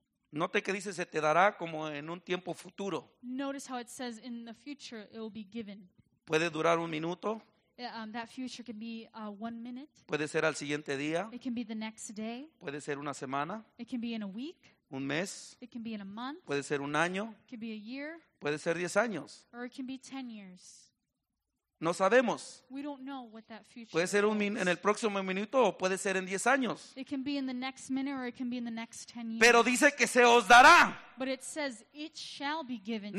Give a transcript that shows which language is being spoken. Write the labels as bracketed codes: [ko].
[es] Note que dice, se te dará como en un tiempo futuro. [en] Notice how it says, in the future, it will be given. [es] Puede durar un minuto. [en] That future can be 1 minute. [es] Puede ser al siguiente día. [en] It can be the next day. [es] Puede ser una semana. [en] It can be in a week. [es] Un mes. [en] It can be in a month. [es] Puede ser un año. [en] It can be a year. [es] Puede ser 10 años. [en] Or it can be 10 years. [es] No sabemos. [en] We don't know what that future [es] puede ser en el próximo minuto o puede ser en 10 años. [en] It can be in the next minute or it can be in the next 10 years. [es] Pero dice que se os dará. [en] But it says it shall be given to